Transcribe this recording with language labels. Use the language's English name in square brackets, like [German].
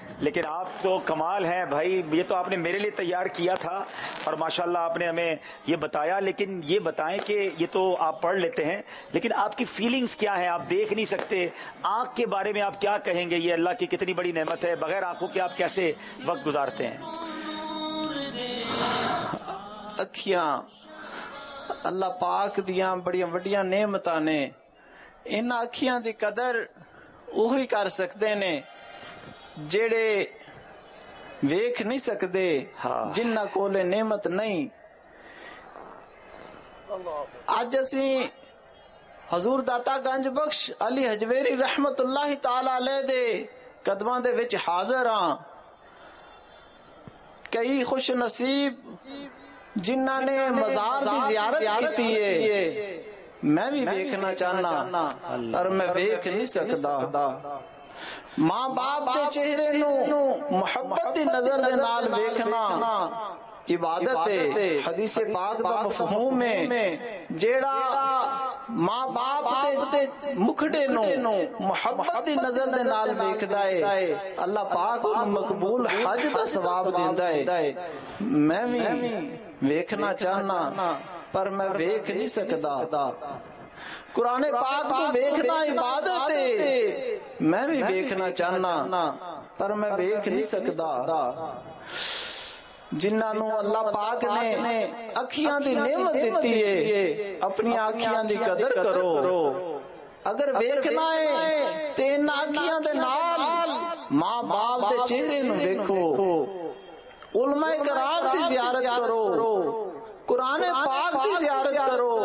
[Urdu] لیکن آپ تو کمال ہیں بھائی، یہ تو آپ نے میرے لیے تیار کیا تھا اور ماشاءاللہ آپ نے ہمیں یہ بتایا. لیکن یہ بتائیں کہ یہ تو آپ پڑھ لیتے ہیں، لیکن آپ کی فیلنگز کیا ہیں؟ آپ دیکھ نہیں سکتے، آنکھ کے بارے میں آپ کیا کہیں گے؟ یہ اللہ کی کتنی بڑی نعمت ہے، بغیر آنکھوں کے آپ کیسے وقت گزارتے ہیں؟ [Punjabi] اکھیاں اللہ پاک دیاں بڑیاں وڈیاں نعمتاں نے، ان اکھیاں دی قدر اوہی کر سکتے نے جڑے ویکھ نہیں سکتے، جنہ کول نعمت نہیں. اج اسی حضور داتا گنج بخش علی حجویری رحمت اللہ تعالی علیہ دے قدماں دے وچ حاضر ہاں. کئی خوش نصیب جنہ نے مزار دی زیارت کیتی ہے، میں بھی ویکھنا چاہنا پر میں ویکھ نہیں سکتا. ماں باپ دے چہرے نوں محبت دی نظر دے نال ویکھنا عبادت ہے. حدیث پاک دا مفہوم ہے، جیڑا ماں باپ دے مکھڑے نوں محبت دی نظر دے نال ویکھدا ہے اللہ پاک اوہنوں مقبول حج دا ثواب دیندا ہے. میں بھی ویکھنا چاہنا پر میں ویکھ نہیں سکتا. قرآن پاک تو ویکھنا عبادت ہے، میں بھی ویکھنا چاہنا پر میں ویکھ نہیں سکتا. جنہاں نوں اللہ پاک نے اکھیاں دی نعمت دتی ہے، اپنی اکھیاں دی قدر کرو. اگر ویکھنا ہے تے ان اکھیاں دے نال ماں باپ دے چہرے نوں ویکھو، علماء کرام دی زیارت کرو، قرآن پاک کی زیارت کرو،